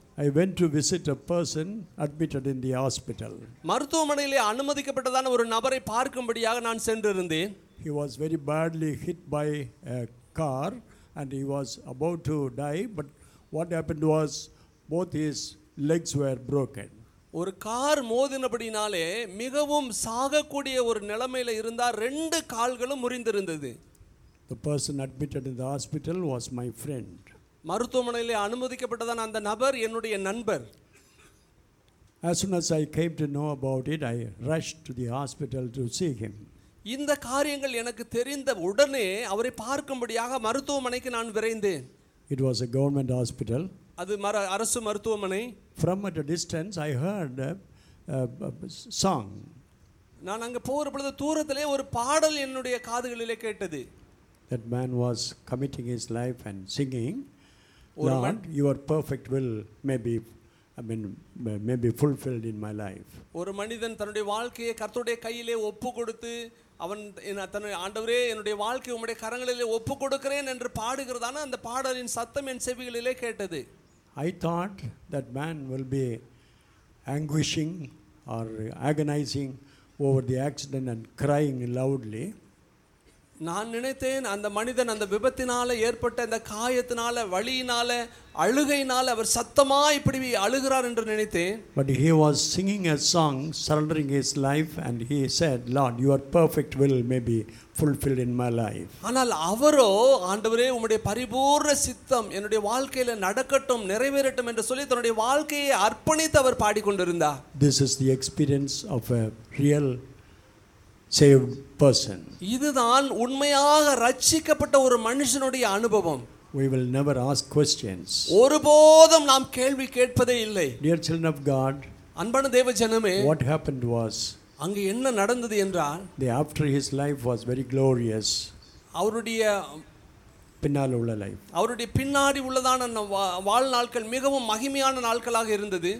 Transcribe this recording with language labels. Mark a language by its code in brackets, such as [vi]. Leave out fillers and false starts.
[en] I went to visit a person admitted in the hospital [ta] மருத்துவமனையிலே அனுமதிக்கப்பட்டதான ஒரு நபரை பார்க்கும்படியாக நான் சென்றிருந்தேன் [en] He was very badly hit by a car and he was about to die but what happened was both his legs were broken [ta] ஒரு car மோதினபடியாலே மிகவும் சாகக்கூடிய ஒரு நிலையில இருந்தார் ரெண்டு கால்களும் முறிந்திருந்தது [en] The person admitted in the hospital was my friend. [ta] மருத்துவமனையிலே அனுமதிக்கப்பட்டதான அந்த நபர் என்னுடைய நண்பர். [en] As soon as I came to know about it, I rushed to the hospital to see him. [ta] இந்த காரியங்கள் எனக்கு தெரிந்த உடனே அவரை பார்க்கும்படியாக மருத்துவமனைக்கு நான் விரைந்தேன். [en] It was a government hospital. [ta] அது அரசு மருத்துவமனை. [en] From at a distance, I heard a song. [ta] நான் அங்க போறபொழுது தூரத்திலே ஒரு பாடல் என்னுடைய காதுகளிலே கேட்டது. [en] That man was committing his life and singing Lord your perfect will may be fulfilled in my life [ta] ஒரு மனிதன் தன்னுடைய வாழ்க்கையை கர்த்தருடைய கையிலே ஒப்பு கொடுத்து அவன் தன்னுடைய ஆண்டவரே என்னுடைய வாழ்க்கை உம்முடைய கரங்களிலே ஒப்பு கொடுக்கிறேன் என்று பாடுகிறதான அந்த பாடலின் சத்தம் என் செவிகளிலே கேட்டது [en] I thought that man will be anguishing or agonizing over the accident and crying loudly [ta] நான் நினைத்தேன் அந்த மனிதன் அந்த விபத்தினால ஏற்பட்ட அந்த காயத்தினால வலியினால அழுகையினால அவர் சத்தமா இப்படி அழுகிறார் என்று நினைத்தேன் [en] But he was singing a song surrendering his life and he said Lord your perfect will may be fulfilled in my life [ta] ஆனால் அவரோ ஆண்டவரே உம்முடைய பரிபூரண சித்தம் என்னுடைய வாழ்க்கையில நடக்கட்டும் நிறைவேறட்டும் என்று சொல்லி தன்னுடைய வாழ்க்கையை அர்ப்பணித்து அவர் பாடிக்கொண்டிருந்தார் [en] This is the experience of a real saved person [ta] இதுதான் உண்மையாக ரட்சிக்கப்பட்ட ஒரு மனுஷனுடைய அனுபவம் [en] we will never ask questions [ta] ஒருபோதும் நாம் கேள்வி கேட்பதே இல்லை [en] dear children of god [ta] அன்பான தேவ ஜனமே [en] what happened was [ta] அங்க என்ன நடந்தது என்றால் [en] the after his life was very glorious [ta] அவருடைய பின்னால் உள்ள life அவருடைய பின்னாடி உள்ளதான வாழ்நாள்கள் மிகவும் மகிமையான நாட்களாக இருந்தது